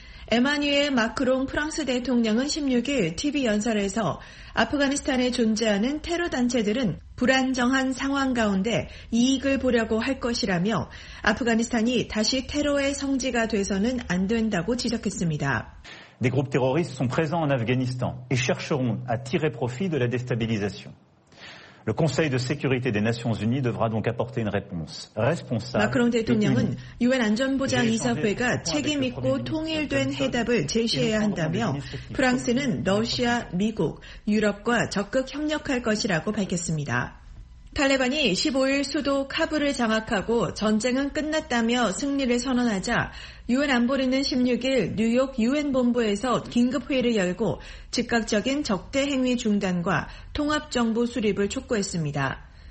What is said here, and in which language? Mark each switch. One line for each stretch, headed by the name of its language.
Korean: 에마뉘엘 마크롱 프랑스 대통령은 16일 TV 연설에서 아프가니스탄에 존재하는 테러 단체들은 불안정한 상황 가운데 이익을 보려고 할 것이라며 아프가니스탄이 다시 테러의 성지가 돼서는 안 된다고 지적했습니다.
French: Des groupes terroristes sont présents en Afghanistan et chercheront à tirer profit de la déstabilisation. Le Conseil de sécurité des Nations Unies devra donc apporter une réponse responsable.
Korean: 마크롱 대통령은 유엔 안전보장 이사회가 책임 있고 통일된 해답을 제시해야 한다며 프랑스는 러시아, 미국, 유럽과 적극 협력할 것이라고 밝혔습니다. 탈레반이 15일 수도 카불을 장악하고 전쟁은 끝났다며 승리를 선언하자 유엔 안보리는 16일 뉴욕 유엔 본부에서 긴급 회의를 열고 즉각적인 적대 행위 중단과 통합 정부 수립을 촉구했습니다.